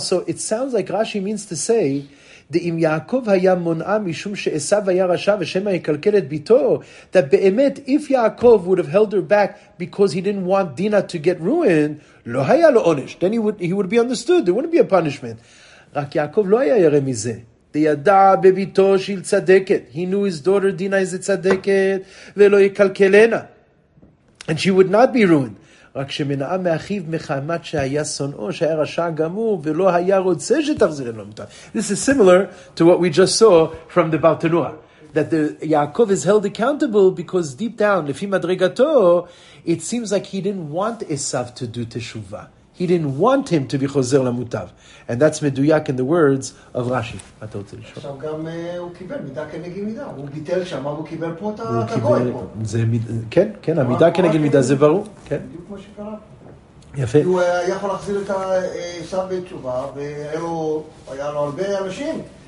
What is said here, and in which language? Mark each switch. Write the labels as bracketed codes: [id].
[en] So it sounds like Rashi means to say, [he] דאם יעקב היה מונעה משום שעשיו היה רשע ושמה יקלקל את ביתו, [en] that באמת, if Yaakov would have held her back because he didn't want Dina to get ruined, [he] לא היה לו עונש. [en] Then he would be understood. There wouldn't be a punishment. [he] רק יעקב לא היה ירא מזה. דידע בביתו שהיא צדקת. [en] He knew his daughter Dina is a צדקת, [he] ולא יקלקלנה. [en] And she would not be ruined. [he] רק שמנעה מאחיו מחמת שהיה שונאו, שהיה רשע גמור, ולא היה רוצה שתחזיר אלו מטעם. [en] This is similar to what we just saw from the Bartanua. That the Yaakov is held accountable because deep down, לפי מדרגתו, it seems like he didn't want Esav to do teshuva. He didn't want him to be חוזר למוטב. And that's מדויק in the words of Rashi. [he] מה אתה רוצה לשאול? עכשיו גם הוא קיבל מידה כנגד מידה. הוא ביטל שם, אבל הוא קיבל פה את הגוי פה. כן, כן, המידה כנגד מידה זה ברור. כמו שקרה. יפה. הוא יכול להחזיר את הסב בתשובה, והיה לו הרבה אנשים.